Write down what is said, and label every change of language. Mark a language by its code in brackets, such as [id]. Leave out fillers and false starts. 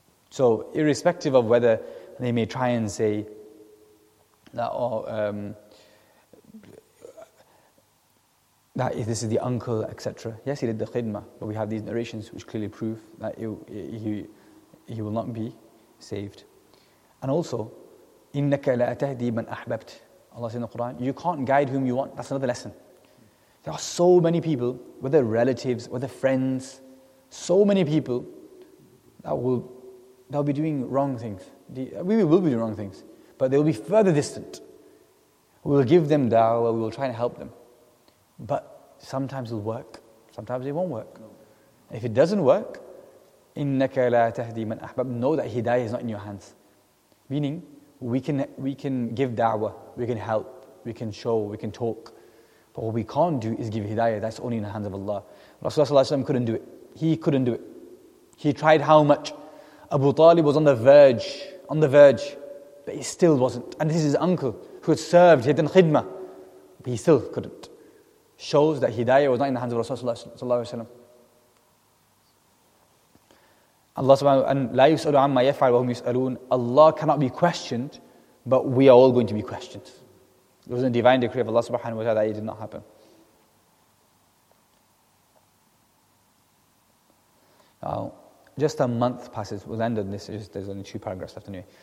[en] So, irrespective of whether they may try and say that, that if this is the uncle, etc. Yes, he did the khidma, but we have these narrations which clearly prove that he will not be saved. And also, [ar] إِنَّكَ لَا تَهْدِي مَنْ أَحْبَبْتِ. [en] Allah says in the Quran, you can't guide whom you want. That's another lesson. There are so many people, whether relatives, whether friends, so many people that will be doing wrong things. We will be doing wrong things, but they will be further distant. We will give them da'wah, we will try and help them. But sometimes it'll work, sometimes it won't work. No. If it doesn't work, [ar] إِنَّكَ لَا تَهْدِي مَنْ أَحْبَبْتِ. [en] Know that hidayah is not in your hands. Meaning, we can give da'wah, we can help, we can show, we can talk. But what we can't do is give hidayah. That's only in the hands of Allah. Rasulullah ﷺ couldn't do it. He couldn't do it. He tried how much? Abu Talib was on the verge, but he still wasn't. And this is his uncle. who had served, he had done khidmah, but he still couldn't. Shows that hidayah was not in the hands of Rasulullah. [ar] Allah subhanahu wa ta'ala, لا يسألوا عما يفعل وهم يسألون. [en] Allah cannot be questioned, but we are all going to be questioned. It was a divine decree of Allah subhanahu wa ta'ala that it did not happen. Now, just a month passes, we'll end on this, there's only two paragraphs left anyway.